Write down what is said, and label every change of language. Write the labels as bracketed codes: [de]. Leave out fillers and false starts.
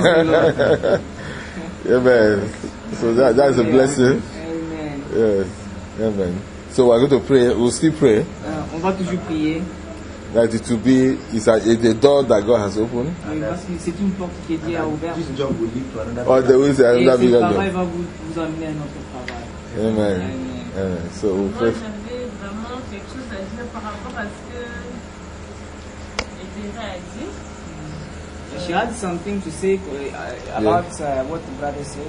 [en] Praise the Lord. Amen. So that is a blessing. Amen. Yes. Amen. So we're going to pray. We'll still pray. [fr] On va toujours prier. [en] that it will be is a door that God has opened. [fr] C'est une porte qui est déjà ouverte. [en] This job will lead to another. Or there is another bigger job. [fr] Et ce travail va vous amener à un autre travail. [en] Amen. So [fr] moi, j'avais vraiment quelque chose à dire par rapport à ce que Edira a dit. [en] She had something to say about what the brother said.